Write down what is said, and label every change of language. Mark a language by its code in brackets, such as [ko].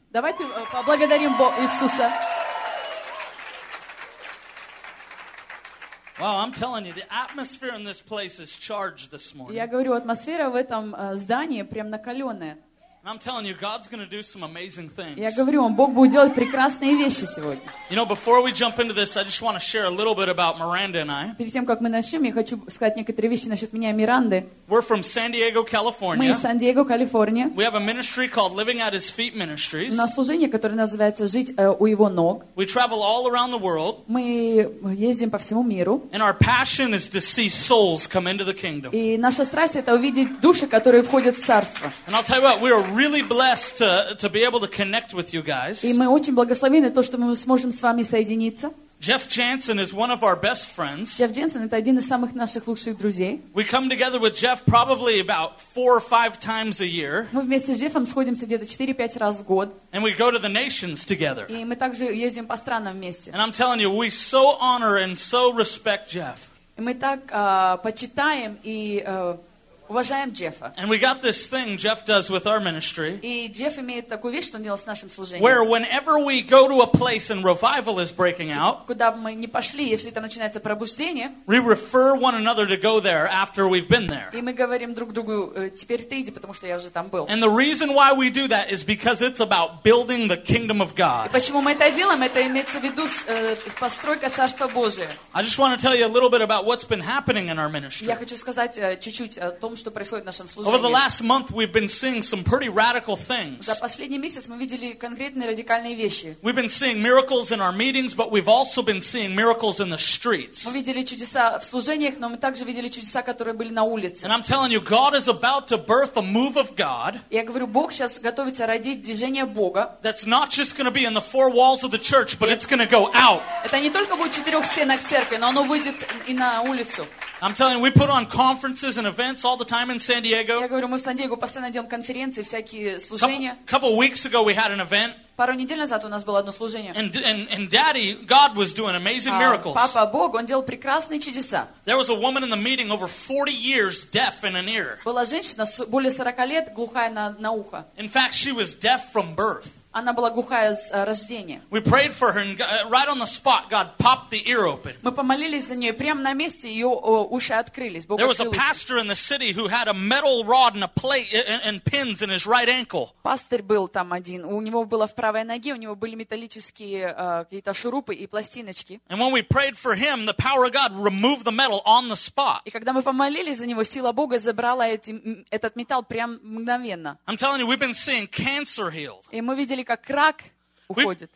[ru] Давайте поблагодарим Иисуса. [en] Wow, I'm telling you, the atmosphere in this place is charged this morning. [ru] Я говорю, атмосфера в этом здании прям накаленная. [en] And I'm telling you, God's going to do some amazing things. [ru] Я говорю вам, Бог будет делать прекрасные вещи сегодня. [en] You know, before we jump into this, I just want to share a little bit about Miranda and I. [ru] Перед тем как мы начнем, я хочу сказать некоторые вещи насчет меня и Миранды. [en] We're from San Diego, California. [ru] Мы из Сан-Диего, Калифорния. [en] We have a ministry called Living at His Feet Ministries. [ru] У нас служение, которое называется «Жить у Его ног». [en] We travel all around the world. [ru] Мы ездим по всему миру. [en] And our passion is to see souls come into the kingdom. [ru] И наша страсть это увидеть души, которые входят в царство. [en] And I'll tell you what, we are really blessed to be able to connect with you guys. [ru] И мы очень благословены то, что мы сможем с вами соединиться. [en] Jeff Jansen is one of our best friends. [ru] Jeff Jansen это один из самых наших лучших друзей. [en] We come together with Jeff probably about 4 or 5 times a year. [ru] Мы вместе с Джеффом сходимся где-то 4-5 раз в год. [en] And we go to the nations together. [ru] И мы также ездим по странам вместе. [en] And I'm telling you, we so honor and so respect Jeff. [ru] И мы так почитаем и уважаем Джеффа. [en] And we got this thing Jeff does with our ministry. [ru] И Джефф имеет такую вещь, что он делает с нашим служением. [en] Where whenever we go to a place and revival is breaking out, [ru] куда бы мы ни пошли, если там начинается пробуждение, [en] we refer one another to go there after we've been there. [ru] И мы говорим друг другу, теперь ты иди, потому что я уже там был. [en] And the reason why we do that is because it's about building the kingdom of God. [ru] И почему мы это делаем? Это имеется в виду постройка Царства Божия. [en] I just want to tell you a little bit about what's been happening in our ministry. [ru] Я хочу сказать чуть-чуть о том, что происходит в нашем служении. [en] Over the last month we've been seeing some pretty radical things. [ru] За последний месяц мы видели конкретные радикальные вещи. [en] We've been seeing miracles in our meetings, but we've also been seeing miracles in the streets. [ru] Мы видели чудеса в служениях, но мы также видели чудеса, которые были на улице. [en] And I'm telling you, God is about to birth a move of God. [ru] Я говорю, Бог сейчас готовится родить движение Бога. [en] That's not just going to be in the four walls of the church, but it's going to go out. [ru] Это не только будет в четырех стенах церкви, но оно выйдет и на улицу. [en] I'm telling you, we put on conferences and events all the time in San Diego. [ru] Я говорю, мы в Сан-Диего постоянно делаем конференции, всякие служения. [en] Couple weeks ago we had an event. [ru] Пару недель назад у нас было одно служение. [en] And Daddy, God was doing amazing miracles. [ru] Папа Бог, он делал прекрасные чудеса. [en] There was a woman in the meeting over 40 years deaf in an ear. [ru] Была женщина более 40 лет глухая на ухо. [en] In fact, she was deaf from birth. [ru] Она была глухая с рождения. [en] We prayed for her and right on the spot God popped the ear open. [ru] Мы помолились за нее, прямо на месте ее уши открылись. [en] There was a pastor in the city who had a metal rod and a plate and pins in his right ankle. [ru] Пастор был там один. У него было в правой ноге, у него были металлические какие-то шурупы и пластиночки. [en] And when we prayed for him, the power of God removed the metal on the spot. [ru] И когда мы помолились за него, сила Бога забрала этот металл прям мгновенно. [en] I'm telling you, we've been seeing cancer healed. [ru] И мы видели, как рак уходит.